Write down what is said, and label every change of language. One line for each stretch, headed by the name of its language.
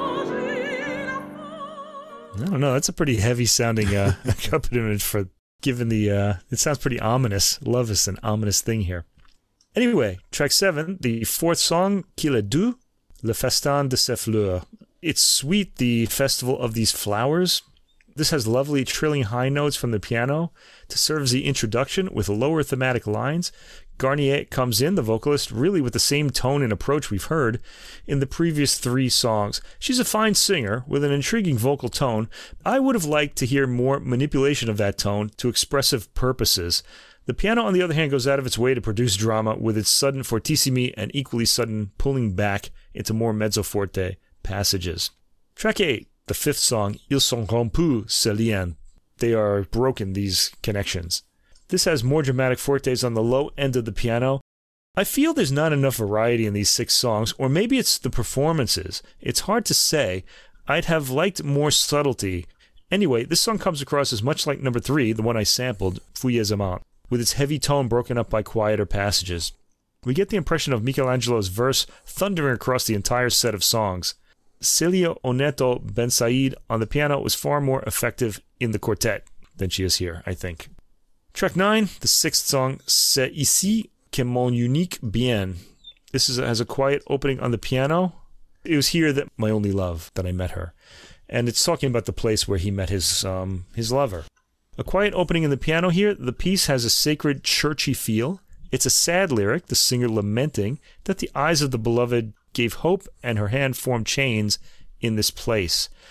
English: No, that's a pretty heavy sounding accompaniment for given the it sounds pretty ominous. Love is an ominous thing here. Anyway, track 7, the fourth song,
French: Qu'il est doux, Le festin de ces fleurs.
English: It's sweet, the festival of these flowers. This has lovely trilling high notes from the piano to serve as the introduction with lower thematic lines. Garnier comes in, the vocalist, really with the same tone and approach we've heard in the previous 3 songs. She's a fine singer with an intriguing vocal tone. I would have liked to hear more manipulation of that tone to expressive purposes. The piano, on the other hand, goes out of its way to produce drama with its sudden fortissimi and equally sudden pulling back into more mezzo forte passages. Track 8, the fifth song,
French: Ils sont rompus, ces liens.
English: They are broken, these connections. This has more dramatic fortes on the low end of the piano. I feel there's not enough variety in these six songs, or maybe it's the performances. It's hard to say. I'd have liked more subtlety. Anyway, this song comes across as much like number three, the one I sampled, Fuyez Amant, with its heavy tone broken up by quieter passages. We get the impression of Michelangelo's verse thundering across the entire set of songs. Celia Oneto Ben Said on the piano was far more effective in the quartet than she is here, I think. Track 9, the sixth song,
French: C'est ici que mon unique bien.
English: This has a quiet opening on the piano. It was here that my only love, that I met her. And it's talking about the place where he met his lover. A quiet opening in the piano here. The piece has a sacred, churchy feel. It's a sad lyric, the singer lamenting that the eyes of the beloved gave hope and her hand formed chains in this place.